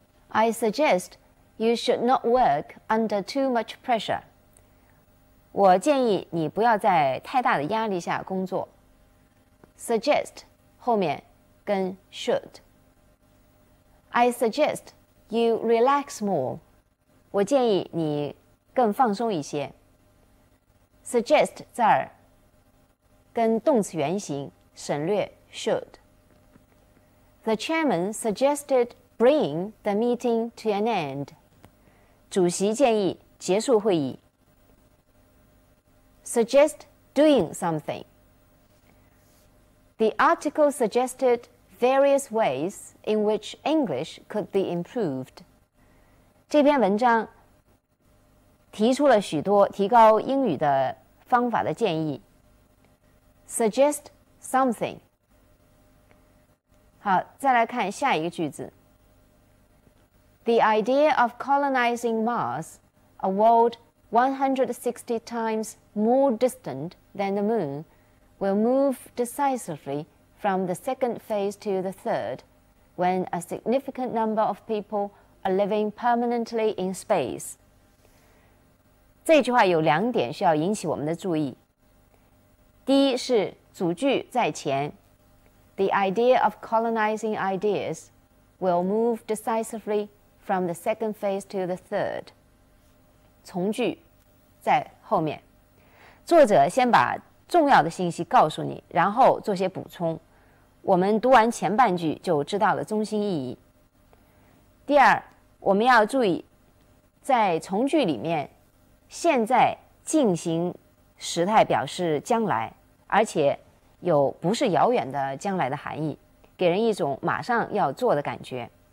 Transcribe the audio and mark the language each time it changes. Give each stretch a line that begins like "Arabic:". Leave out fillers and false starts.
English: I suggest you should not work under too much pressure.
Chinese: 我建议你不要在太大的压力下工作。
English: Suggest
Chinese: 后面跟
English: should。I suggest you relax more。
Chinese: 我建议你更放松一些。Suggest 这儿跟动词原形省略 should。
English: The chairman suggested bring the meeting to an end。
Chinese: 主席建议结束会议。
English: Suggest doing something. The article suggested various ways in which English could be improved.
Chinese: 这篇文章提出了许多提高英语的方法的建议。
English: Suggest something.
Chinese: 好，再来看下一个句子。
English: The idea of colonizing Mars, a world 160 times more distant than the moon will move decisively from the second phase to the third when a significant number of people are living permanently in space.
Chinese: 这句话有两点需要引起我们的注意。第一是主句在前。
English: The idea of colonizing ideas will move decisively from the second phase to the third.
Chinese: 从句在后面，作者先把重要的信息告诉你，然后做些补充。我们读完前半句就知道了中心意义。第二，我们要注意，在从句里面，现在进行时态表示将来，而且有不是遥远的将来的含义，给人一种马上要做的感觉。